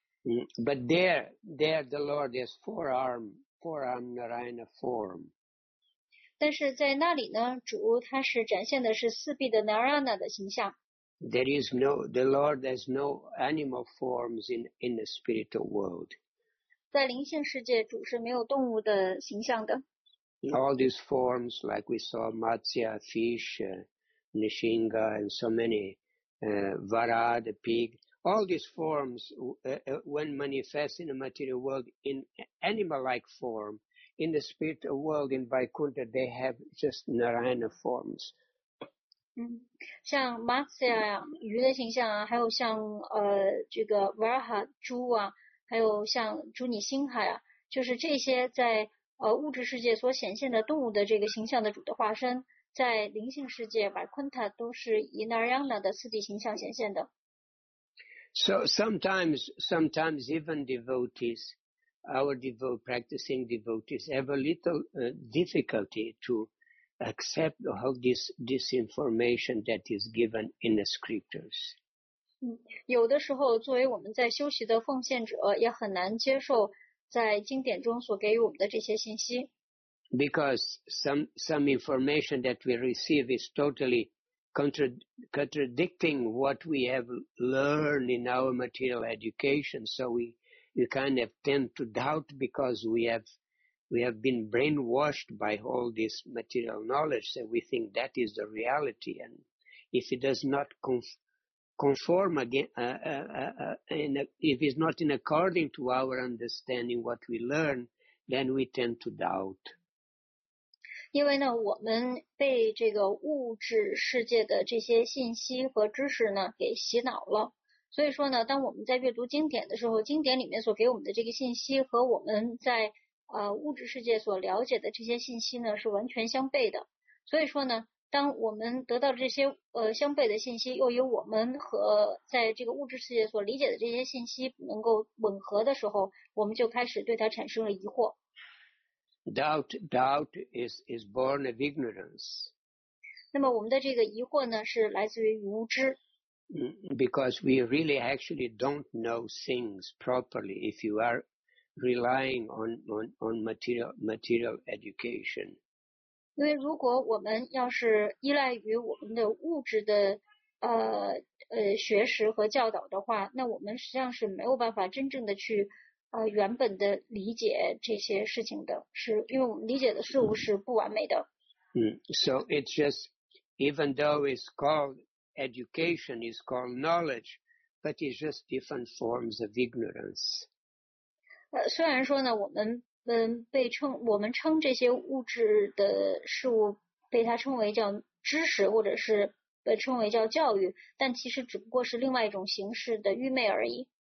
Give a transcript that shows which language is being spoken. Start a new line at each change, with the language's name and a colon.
English: But there the Lord has four arm Narayana form.
Chinese: 但是在那里呢，主他是展现的是四臂的 Narayana 的形象。
English: The Lord has no animal forms in the spiritual world.
Chinese: 在灵性世界，主是没有动物的形象的。
English: All these forms, like we saw Matsya, fish, Nishinga, and so many, Vara, the pig,All these forms, when manifest in the material world in animal-like form, in the spiritual world in Vaikuntha, they have just Narayana forms.
Chinese: 像 Matsya 鱼的形象啊，还有像这个 Varaha 猪啊，还有像朱尼星海啊，就是这些在物质世界所显现的动物的这个形象的主的化身，在灵性世界 Vaikuntha 都是以 Narayana 的四谛形象显现的。
English: So sometimes even devotees, our devotee, practicing devotees, have a little difficulty to accept all this information that is given in the scriptures.
Chinese: 有的时候作为我们在修习的奉献者也很难接受在经典中所给予我们的这些信息。
English: Because some information that we receive is totally contradicting what we have learned in our material education. So we kind of tend to doubt because we have been brainwashed by all this material knowledge. So we think that is the reality. And if it does not conform again, if it's not in according to our understanding what we learn, then we tend to doubt.
Chinese: 因为呢，我们被这个物质世界的这些信息和知识呢给洗脑了。所以说呢，当我们在阅读经典的时候，经典里面所给我们的这个信息和我们在物质世界所了解的这些信息呢是完全相悖的。所以说呢，当我们得到这些相悖的信息，又与我们和在这个物质世界所理解的这些信息不能够吻合的时候，我们就开始对它产生了疑惑。
English: Doubt is born of ignorance.
Chinese: 那么我们的这个疑惑呢，是来自于无知。
English: Because we really actually don't know things properly if you are relying on material education.
Chinese: 因为如果我们要是依赖于我们的物质的学识和教导的话，那我们实际上是没有办法真正的去原本的理解这些事情的，是因为我们理解的事物是不完美的。
English: So it's just, even though it's called education, it's called knowledge, but it's just different forms of ignorance.
Chinese: 虽然说呢，我们称这些物质的事物被它称为叫知识，或者是被称为叫教育，但其实只不过是另外一种形式的愚昧而已。